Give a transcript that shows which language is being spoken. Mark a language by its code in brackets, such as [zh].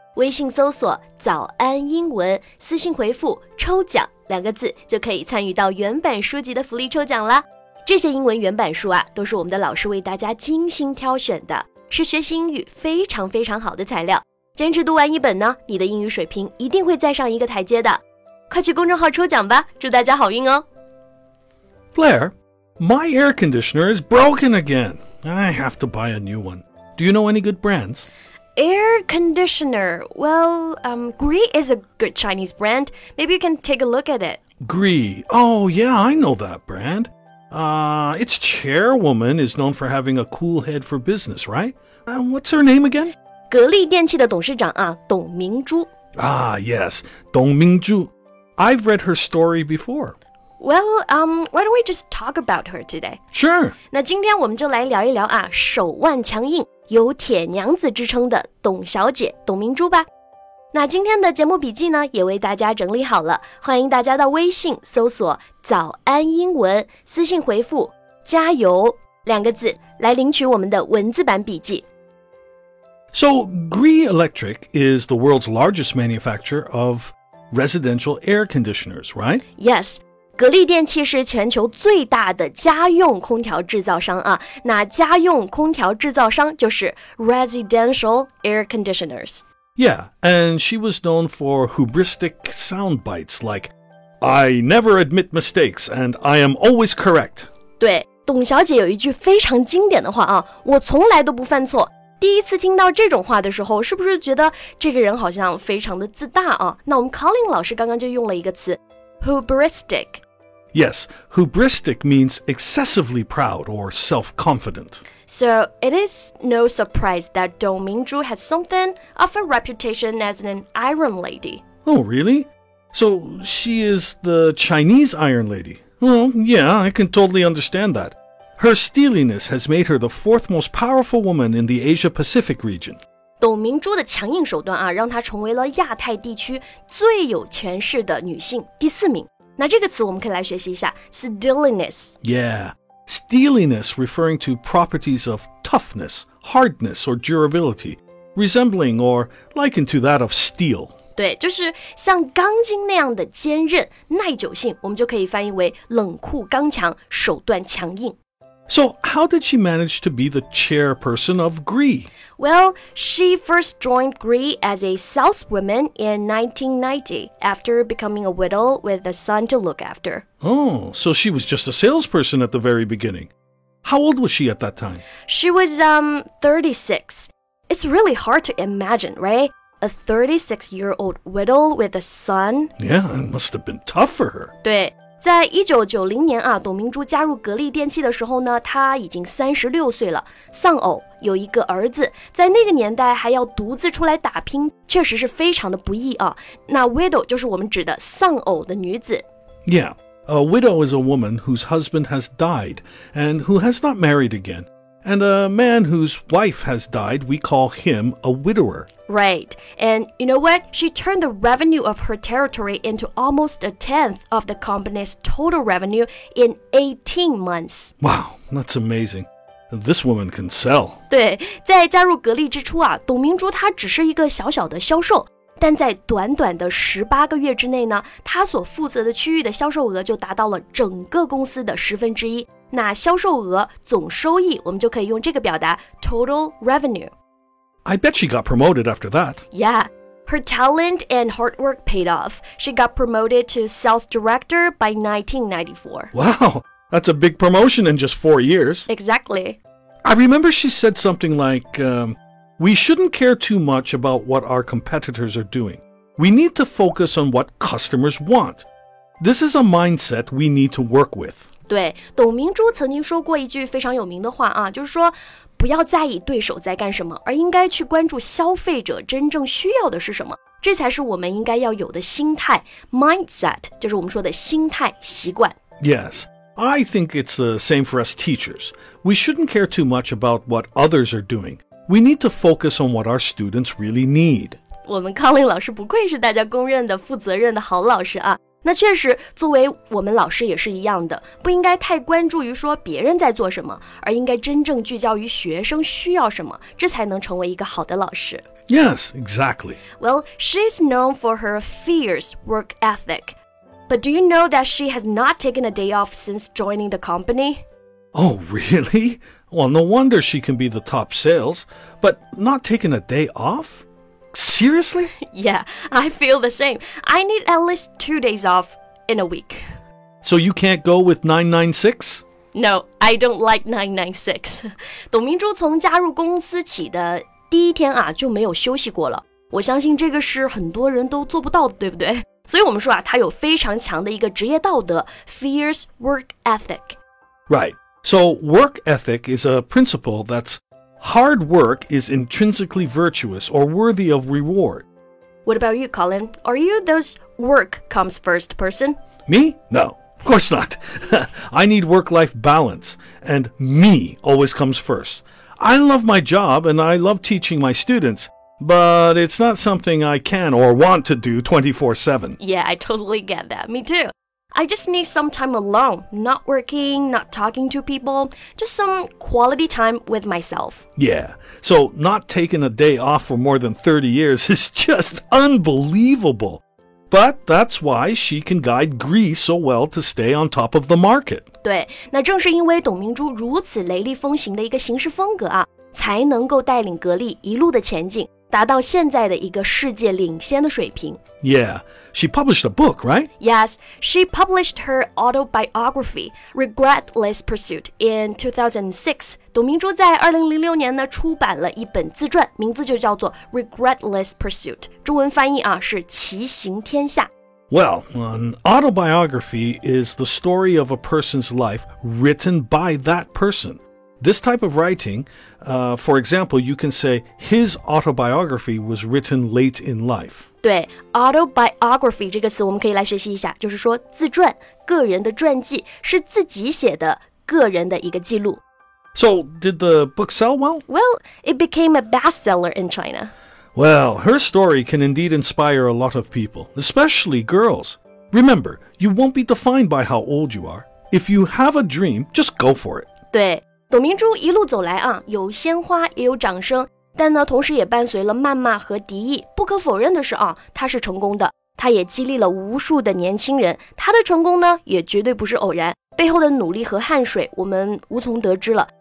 [zh] 微信搜索早安英文，私信回复抽奖两个字，就可以参与到原版书籍的福利抽奖了。这些英文原版书啊，都是我们的老师为大家精心挑选的，是学习英语非常非常好的材料。坚持读完一本呢，你的英语水平一定会再上一个台阶的。快去公众号抽奖吧，祝大家好运哦。 [en] Blair, my air conditioner is broken again. I have to buy a new one. Do you know any good brands? Air conditioner. Well, Gree is a good Chinese brand. Maybe you can take a look at it. Gree. Oh, yeah, I know that brand. Its chairwoman is known for having a cool head for business, right? What's her name again? [zh] 格力电器的董事长啊，董明珠。 [en] Ah, yes, 董明珠。 I've read her story before. Well, why don't we just talk about her today? Sure. [zh] 那今天我们就来聊一聊啊，手腕强硬，有铁娘子之称的董小姐董明珠吧。那今天的节目笔记呢，也为大家整理好了，欢迎大家到微信搜索早安英文，私信回复加油两个字来领取我们的文字版笔记。 [en] So, Gree Electric is the world's largest manufacturer of residential air conditioners, right? Yes. [zh] 格力电器是全球最大的家用空调制造商啊，那家用空调制造商就是 [en] residential air conditioners. Yeah, and she was known for hubristic sound bites like, I never admit mistakes and I am always correct. [zh] 对，董小姐有一句非常经典的话啊，我从来都不犯错。第一次听到这种话的时候，是不是觉得这个人好像非常的自大啊？那我们 Colin 老师刚刚就用了一个词。 [en] Hubristic. Yes, hubristic means excessively proud or self-confident. So it is no surprise that Dong Mingzhu has something of a reputation as an iron lady. Oh, really? So she is the Chinese iron lady. Well, yeah, I can totally understand that. Her steeliness has made her the fourth most powerful woman in the Asia-Pacific region. [zh] 董明珠的强硬手段啊，让她成为了亚太地区最有权势的女性第四名。那这个词我们可以来学习一下 ,steeliness. [en] Yeah, steeliness referring to properties of toughness, hardness or durability, resembling or likened to that of steel. [zh] 对，就是像钢筋那样的坚韧、耐久性，我们就可以翻译为冷酷刚强、手段强硬。 [en] So, how did she manage to be the chairperson of Gree? Well, she first joined Gree as a saleswoman in 1990 after becoming a widow with a son to look after. Oh, so she was just a salesperson at the very beginning. How old was she at that time? She was, 36. It's really hard to imagine, right? A 36-year-old widow with a son? Yeah, it must have been tough for her. [zh] 对。在1990年啊，董明珠加入格力电器的时候呢，她已经36岁了，丧偶，有一个儿子，在那个年代还要独自出来打拼，确实是非常的不易啊。那 widow 就是我们指的丧偶的女子。 [en] Yeah, a widow is a woman whose husband has died and who has not married again. And a man whose wife has died, we call him a widower. Right. And you know what? She turned the revenue of her territory into almost a tenth of the company's total revenue in 18 months. Wow, that's amazing. This woman can sell. [zh] 对，在加入格力之初啊，董明珠她只是一个小小的销售，但在短短的18个月之内呢，她所负责的区域的销售额就达到了整个公司的十分之一。那销售额总收益我们就可以用这个表达 [en] total revenue. I bet she got promoted after that. Yeah, her talent and hard work paid off. She got promoted to sales director by 1994. Wow, that's a big promotion in just 4 years. Exactly. I remember she said something like, we shouldn't care too much about what our competitors are doing. We need to focus on what customers want. This is a mindset we need to work with. [zh] 对，董明珠曾经说过一句非常有名的话啊，就是说不要在意对手在干什么，而应该去关注消费者真正需要的是什么。这才是我们应该要有的心态 Mindset 就是我们说的心态习惯 [en] Yes, I think it's the same for us teachers We shouldn't care too much about what others are doing We need to focus on what our students really need [zh] 我们康林老师不愧是大家公认的负责任的好老师啊那确实作为我们老师也是一样的不应该太关注于说别人在做什么而应该真正聚焦于学生需要什么这才能成为一个好的老师 [en] Yes, exactly. Well, she's known for her fierce work ethic. But do you know that she has not taken a day off since joining the company? Oh, really? Well, no wonder she can be the top sales. But not taking a day off? Seriously? Yeah, I feel the same. I need at least 2 days off in a week. So you can't go with 996? No, I don't like 996. [zh] 董明珠从加入公司起的第一天啊就没有休息过了。我相信这个是很多人都做不到的，对不对？所以我们说啊，她有非常强的一个职业道德 , [en] fierce work ethic. Right. So work ethic is a principle that'sHard work is intrinsically virtuous or worthy of reward. What about you, Colin? Are you those work comes first person? Me? No, of course not. I need work-life balance, and me always comes first. I love my job, and I love teaching my students, but it's not something I can or want to do 24/7. Yeah, I totally get that. Me too. I just need some time alone, not working, not talking to people, just some quality time with myself. Yeah, so not taking a day off for more than 30 years is just unbelievable. But that's why she can guide Greece so well to stay on top of the market. [zh] 对，那正是因为董明珠如此雷厉风行的一个行事风格啊，才能够带领格力一路的前进，达到现在的一个世界领先的水平。 [en] Yeah, she published a book, right? Yes, she published her autobiography, Regretless Pursuit, in 2006. [zh] 董明珠在2006年呢出版了一本自传，名字就叫做 Regretless Pursuit, 中文翻译啊是骑行天下。 [en] Well, an autobiography is the story of a person's life written by that person. This type of writing, for example, you can say his autobiography was written late in life. [zh] 对 autobiography 这个词我们可以来学习一下，就是说自传，个人的传记，是自己写的个人的一个记录。 [en] So, did the book sell well? Well, it became a bestseller in China. Well, her story can indeed inspire a lot of people, especially girls. Remember, you won't be defined by how old you are. If you have a dream, just go for it. [zh] 对董明珠一路走来啊，有鲜花也有掌声，但呢，同时也伴随了谩骂和敌意。不可否认的是啊，她是成功的，她也激励了无数的年轻人。她的成功呢，也绝对不是偶然，背后的努力和汗水我们无从得知了。